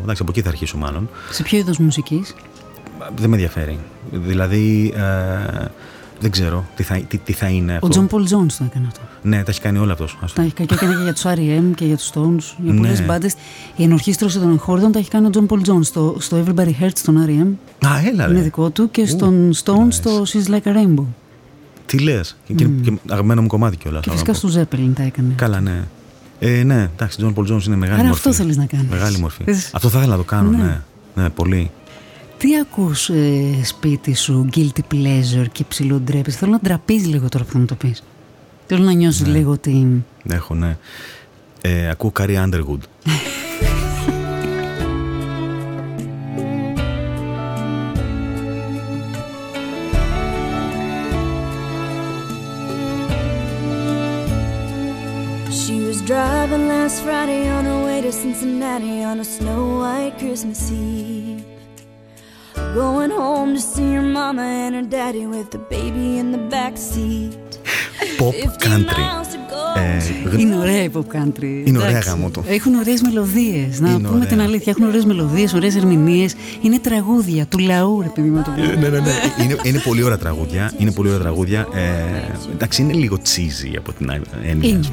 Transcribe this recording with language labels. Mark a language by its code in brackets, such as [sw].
[el] Εντάξει, από εκεί θα αρχίσω μάλλον. Σε ποιο είδος μουσικής? Δεν με ενδιαφέρει. Δηλαδή, δεν ξέρω τι θα είναι αυτό. Ο Τζον Πολ Τζόνς το έκανε αυτό. Ναι, τα έχει κάνει όλα αυτό. Τα έχει κάνει και για του R.E.M. και για του Stones. Για πολλέ μπάντε. Η ενορχήστρωση των εγχόρδων τα έχει κάνει ο Τζον Πολ Τζόνς. Στο Everybody Hurts στον R.E.M. Α, έλα. Είναι δικό του. Και στον Stones το She's Like a Rainbow. Τι λε. Και αγαπημένο μου κομμάτι κιόλα. Και φυσικά στο Zeppelin τα έκανε. Καλά, ναι. Ναι, εντάξει, Τζον Πολ Τζόνς είναι μεγάλη μορφή. Αυτό θέλει να κάνει. Μεγάλη μορφή. Αυτό θα ήθελα να το κάνω, ναι. Ναι, πολύ. Τι ακούς σπίτι σου, [en] guilty pleasure [el] και ψιλοντρέπεις? Θέλω να ντραπείς λίγο τώρα που θα μου το πεις. Θέλω να νιώσεις λίγο ότι... Έχω, ναι. Ακούω Carrie Underwood. [en] She was driving last Friday on her way to Cincinnati on a snow white Christmas Eve. Going home to see your mama and her daddy with the baby in the back seat. Pop country. [el] Είναι ωραία η pop country. Είναι ωραία, γαμώτο. Έχουν ωραίες μελωδίες. Να είναι πούμε ωραία. Την αλήθεια. Έχουν ωραίες μελωδίες, ωραίες ερμηνείες. Είναι τραγούδια του λαού, ρε παιδί μου, το πούμε. Ναι, ναι, ναι. Είναι πολύ ωραία τραγούδια. Είναι πολύ ωραία τραγούδια. Εντάξει, είναι λίγο cheesy από την έννοια.